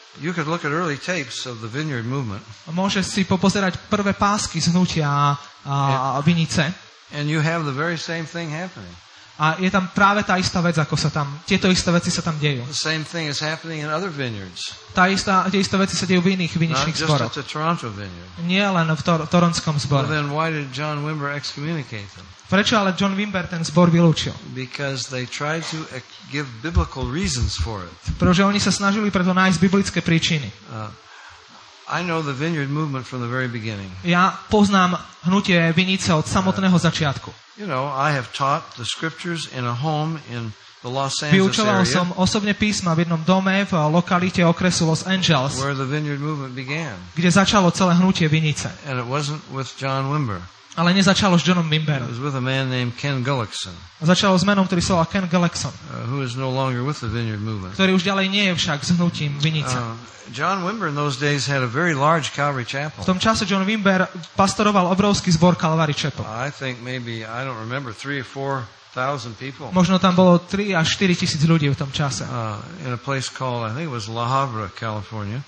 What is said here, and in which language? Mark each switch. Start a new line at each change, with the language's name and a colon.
English: You could look at early tapes of the Vineyard movement.
Slovak: Môže si popozerať prvé pásky z hnutia vinice.
English: And you have the very same thing happening.
Slovak: A je tam práve tá istá vec, ako sa tam, tieto isté veci sa tam dejú.
English: The same thing is happening in other vineyards.
Slovak: Tie isté veci sa dejú v iných viničných zboroch.
English: Not just at the Toronto vineyard.
Slovak: Nie len v torontskom zbore.
English: Well, then why did John Wimber excommunicate them?
Slovak: Prečo ale John Wimber ten zbor vylúčil?
English: Because they tried to give biblical reasons for it.
Slovak: Pretože oni sa snažili preto nájsť biblické príčiny.
English: I know the Vineyard movement from the very beginning.
Slovak: Ja poznám hnutie vinice od samotného začiatku.
English: You know, I have taught the scriptures in a home in the Los Angeles area.
Slovak: Vyučoval som osobne písma v jednom dome v lokalite okresu Los Angeles.
English: Where the Vineyard movement began.
Slovak: Kde začalo celé hnutie vinice.
English: And it wasn't with John Wimber.
Slovak: Ale nezačalo s Johnom Wimberom.
English: It was with a man named Ken Gullickson.
Slovak: Začalo s menom, ktorý sa volá Ken Gullickson.
English: Who is no longer with the Vineyard movement.
Slovak: Ktorý už ďalej nie je však s hnutím vinice.
English: John Wimber in those days had a very large Calvary Chapel.
Slovak: V tom čase John Wimber pastoroval obrovský zbor Calvary Chapel.
English: I think maybe, I don't remember, 3,000 or 4,000 people.
Slovak: Možno tam bolo 3 až 4 tisíc ľudí v tom čase.
English: In a place called, I think it was La Habra, California.